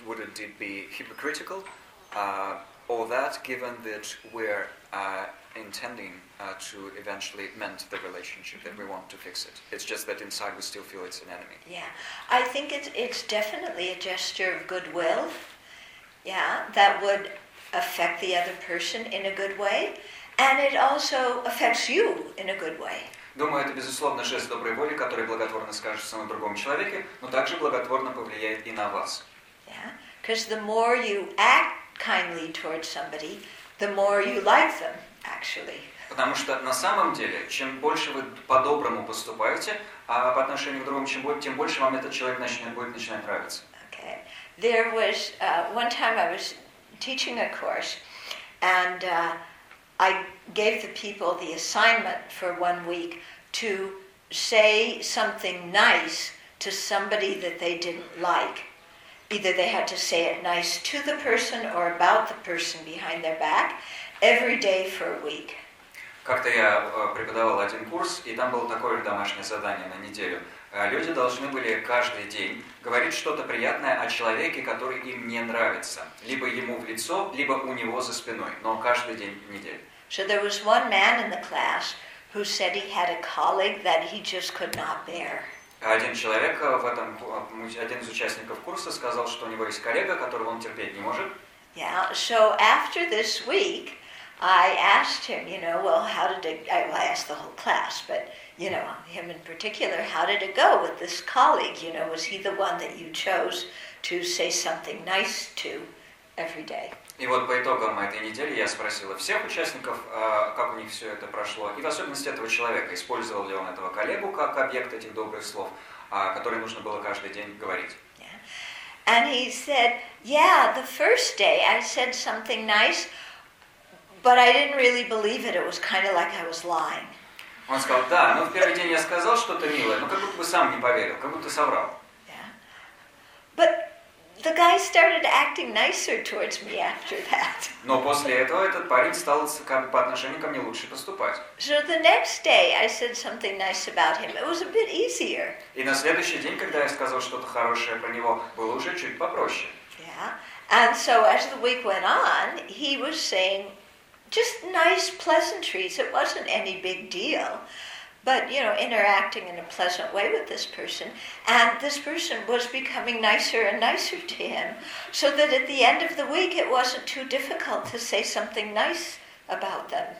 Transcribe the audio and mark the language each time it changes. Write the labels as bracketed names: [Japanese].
[English] Would it be hypocritical? Or that, given that we're intending to eventually mend the relationship, mm-hmm. that we want to fix it? It's just that inside we still feel it's an enemy. Yeah, I think it's definitely a gesture of goodwill. Yeah, that would affect the other person in a good way, and it also affects you in a good way. [Russian] Думаю, это безусловно жест доброй воли, который благотворно скажется на другом человеке, но также благотворно повлияет и на вас. [English] Yeah, because the more you act kindly towards somebody, the more you like them, actually. [Russian] Потому что на самом деле, чем больше вы по-доброму поступаете, а по отношению к другому, тем больше вам этот человек начинает нравиться. [English] Okay, there was one time I was teaching a course, and I gave the people the assignment for 1 week to say something nice to somebody that they didn't like. Either they had to say it nice to the person or about the person behind their back every day for a week. [Russian] Как-то я преподавал один курс, и там было такое домашнее задание на неделю. Люди должны были каждый день говорить что-то приятное о человеке, который им не нравится. Либо ему в лицо, либо у него за спиной. Но каждый день недели. [English] So there was one man in the class who said he had a colleague that he just could not bear. [Russian] Один из участников курса сказал, что у него есть коллега, которого он терпеть не может. [English] Yeah, so after this week, I asked him, you know, well, how did it, I asked the whole class, but, you know, him in particular, how did it go with this colleague? You know, was he the one that you chose to say something nice to every day? [Russian] И вот по итогам этой недели я спросила всех участников, как у них все это прошло, и в особенности этого человека, использовал ли он этого коллегу как объект этих добрых слов, которые нужно было каждый день говорить. [English] Yeah. And he said, yeah, the first day I said something nice, but I didn't really believe it. It was kind of like I was lying. [Russian] Он сказал, да, но в первый день я сказал что-то милое, но как будто бы сам не поверил, как будто соврал. [English] But the guy started acting nicer towards me after that. [Russian] Но после этого этот парень стал как бы по отношению ко мне лучше поступать. [English] So the next day I said something nice about him. It was a bit easier. [Russian] И на следующий день, когда я сказал что-то хорошее про него, было уже чуть попроще. [English] Yeah. And so as the week went on, he was saying just nice pleasantries. It wasn't any big deal. But, you know, interacting in a pleasant way with this person. And this person was becoming nicer and nicer to him. So that at the end of the week, it wasn't too difficult to say something nice about them.